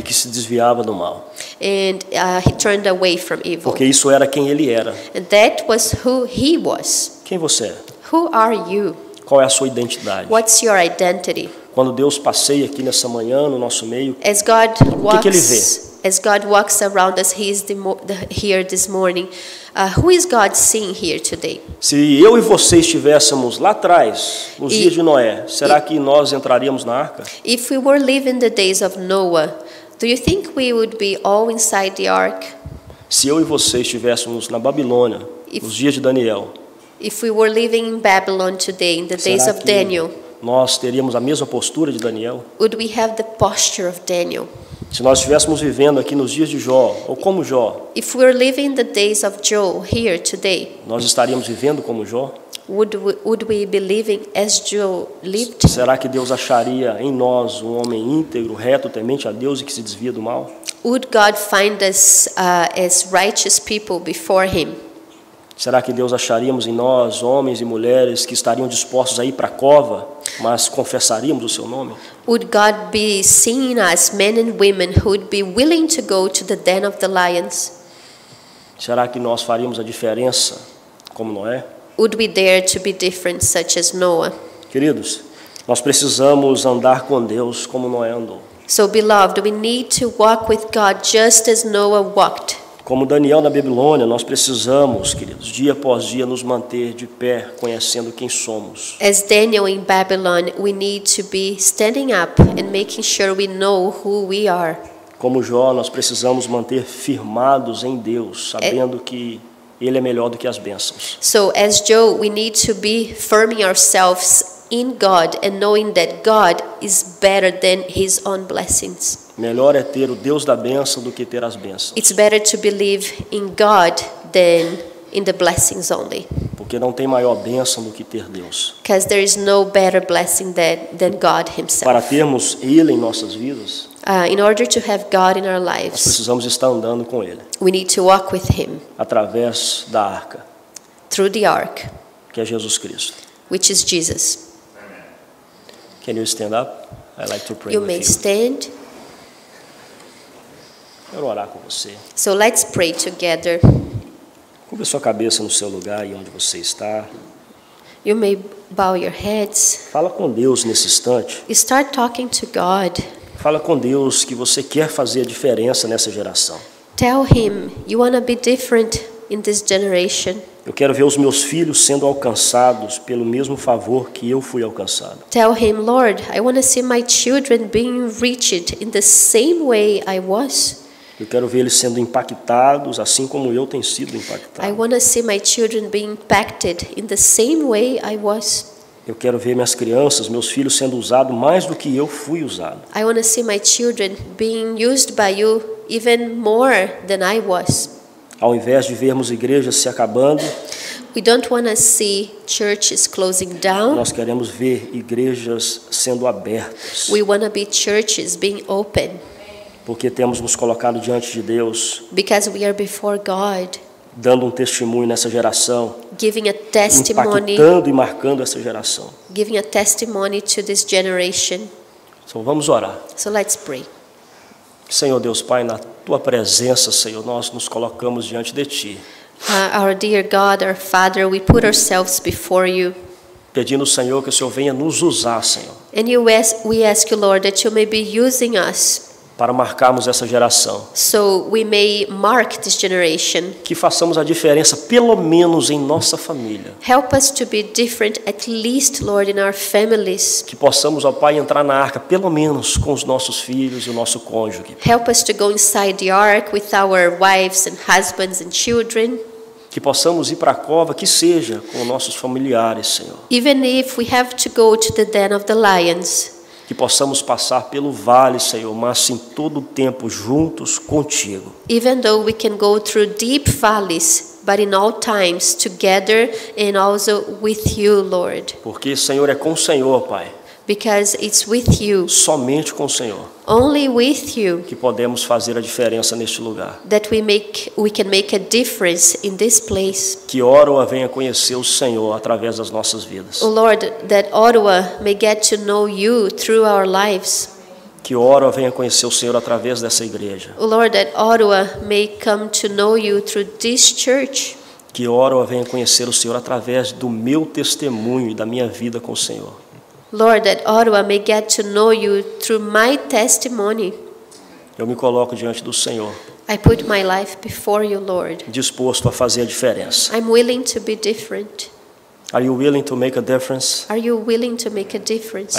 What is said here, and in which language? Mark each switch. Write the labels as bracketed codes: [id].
[pt] E que se desviava do mal. [en] And he turned away from evil. [pt] Porque isso era quem ele era. [en] And that was who he was. [pt] Quem você é? [en] Who are you? [pt] Qual é a sua identidade? [en] What's your identity? [pt] Quando Deus passeia aqui nessa manhã no nosso meio, [en] as God walks, [pt] o que ele vê? [en] As God walks around us, he is here this morning. Who is God seeing here today? [pt] Se eu e você estivéssemos lá atrás, nos dias de Noé, será que nós entraríamos na arca? [en] If we were living the days of Noah, do you think we would be all inside the ark? [pt] Se eu e você estivéssemos na Babilônia, nos dias de Daniel, [en] if we were living in Babylon today, in the days of Daniel, [pt] nós teríamos a mesma postura de Daniel? [en] Would we have the posture of Daniel? [pt] Se nós estivéssemos vivendo aqui nos dias de Jó, ou como Jó, [en] if we were living in the days of Job here today, [pt] nós estaríamos vivendo como Jó? [en] Would we be living as Job lived? [pt] Será que Deus acharia em nós um homem íntegro, reto, temente a Deus e que se desvia do mal? [en] Would God find us as righteous people before him? [pt] Será que Deus acharíamos em nós homens e mulheres que estariam dispostos a ir para a cova, mas confessaríamos o seu nome? [en] Would God be seeing us men and women who would be willing to go to the den of the lions? [pt] Será que nós faríamos a diferença como Noé? [en] Would we dare to be different such as Noah? [pt] Queridos, nós precisamos andar com Deus como Noé andou. [en] So beloved, we need to walk with God just as Noah walked. [pt] Como Daniel na Babilônia, nós precisamos, queridos, dia após dia nos manter de pé, conhecendo quem somos. [en] As Daniel in Babylon, we need to be standing up and making sure we know who we are. [pt] Como Jó, nós precisamos manter firmados em Deus, sabendo que ele é melhor do que as bênçãos. [en] So as Job, we need to be firming ourselves in God and knowing that God is better than his own blessings. [pt] Melhor é ter o Deus da bênção do que ter as bênçãos. [en] It's better to believe in God than in the blessings only. [pt] Porque não tem maior bênção do que ter Deus. [en] Because there is no better blessing than God himself. [pt] Para termos ele em nossas vidas, [en] In order to have God in our lives, [pt] nós precisamos estar andando com ele. [en] We need to walk with him. [pt] Através da arca. [en] Through the ark. [pt] Que é Jesus Cristo. [en] Which is Jesus. Can you stand up? I'd like to pray you with may you. Stand. [pt] Quero orar com você. [en] So let's pray together. [pt] Curva sua cabeça no seu lugar e onde você está. [en] You may bow your heads. [pt] Fala com Deus nesse instante. [en] Start talking to God. [pt] Fala com Deus que você quer fazer a diferença nessa geração. [en] Tell him you want to be different in this generation. [pt] Eu quero ver os meus filhos sendo alcançados pelo mesmo favor que eu fui alcançado. [en] Tell him, Lord, I want to see my children being reached in the same way I was. [pt] Eu quero ver eles sendo impactados assim como eu tenho sido impactado. [en] I want to see my children being impacted in the same way I was. [pt] Eu quero ver minhas crianças, meus filhos sendo usados mais do que eu fui usado. [en] I want to see my children being used by you even more than I was. [pt] Ao invés de vermos igrejas se acabando, [en] we don't want to see churches closing down. [pt] Nós queremos ver igrejas sendo abertas. [en] We want to be churches being open. [pt] Porque temos nos colocado diante de Deus. [en] Because we are before God. [pt] Dando um testemunho nessa geração. [en] Giving a testimony. [pt] Impactando e marcando essa geração. [en] Giving a testimony to this generation. [pt] Então vamos orar. [en] So let's pray. [pt] Senhor Deus Pai, na tua presença, Senhor, nós nos colocamos diante de ti. [en] Our dear God, our Father, we put ourselves before you. [pt] Pedindo ao Senhor que o Senhor venha nos usar, Senhor. [en] And you ask, we ask you, Lord, that you may be using us. [pt] Para marcarmos essa geração. [en] So we may mark this generation. [pt] Que façamos a diferença, pelo menos em nossa família. [en] Help us to be different, at least, Lord, in our families. [pt] Que possamos, ó Pai, entrar na arca, pelo menos com os nossos filhos e o nosso cônjuge. [en] Help us to go inside the ark with our wives and husbands and children. [pt] Que possamos ir para a cova, que seja com nossos familiares, Senhor. [en] Even if we have to go to the den of the lions. [pt] Que possamos passar pelo vale, Senhor, mas em todo o tempo juntos contigo. [en] Even though we can go through deep valleys, but in all times together and also with you, Lord. [pt] Porque o Senhor é com o Senhor, Pai. [en] Because it's with you. [pt] Somente com o Senhor. [en] Only with you. [pt] Que podemos fazer a diferença neste lugar. [en] That we can make a difference in this place. [pt] Que Ottawa venha conhecer o Senhor através das nossas vidas. [en] Oh Lord, that Ottawa may get to know you through our lives. [pt] Que Ottawa venha conhecer o Senhor através dessa igreja. [en] Oh Lord, that Ottawa may come to know you through this church. [pt] Que Ottawa venha conhecer o Senhor através do meu testemunho e da minha vida com o Senhor. [en] Lord, that Ottawa may get to know you through my testimony. [pt] Eu me coloco diante do Senhor. [en] I put my life before you, Lord. [pt] Disposto a fazer a diferença. [en] I'm willing to be different. Are you willing to make a difference? Are you willing to make a difference?